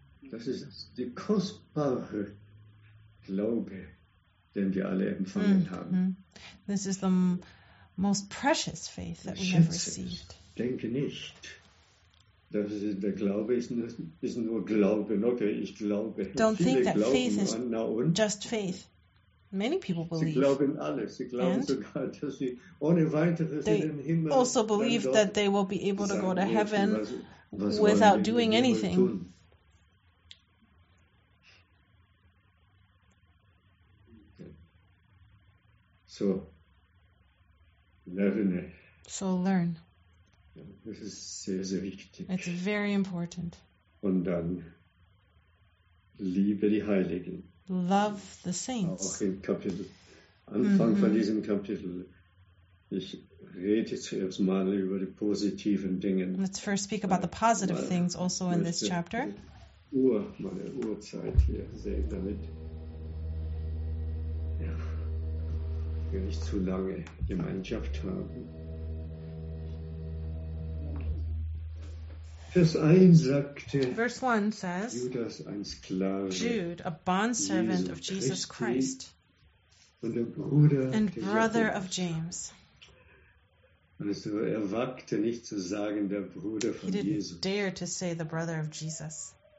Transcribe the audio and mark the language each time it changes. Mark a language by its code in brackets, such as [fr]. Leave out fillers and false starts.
[de] Das ist die kostbare Glaube, den wir alle empfangen haben. [en] This is the most precious faith that we have received. [de] Denke nicht, dass der Glaube ist nur Glauben. Okay, ich glaube. [en] Don't think that faith is just faith. Many people believe. [de] Sie glauben alles. Sie glauben sogar, dass sie ohne weiteres in den Himmel gehen. [en] They also believe that they will be able to go to heaven without doing anything. [de] So, lerne. [en] So learn. [de] Ja, das ist sehr, sehr wichtig. [en] It's very important. [de] Und dann liebe die Heiligen. [en] Love the saints. [de] Auch im Kapitel, Anfang von diesem Kapitel. Ich rede zuerst mal über die positiven Dinge. [en] Let's first speak about the positive things also in this chapter. [de] Meine Uhrzeit hier sehen damit. Ja. Wenn ich zu lange Gemeinschaft habe. Vers 1 sagte [en] Verse 1 says, [de] Judas, ein Sklave, [en] Jude, a bondservant of Jesus Christ [de] und der Bruder [en] and brother of James. [de] Also er wagte nicht zu sagen, der Bruder von Jesus. [en] He didn't dare to say the brother of Jesus.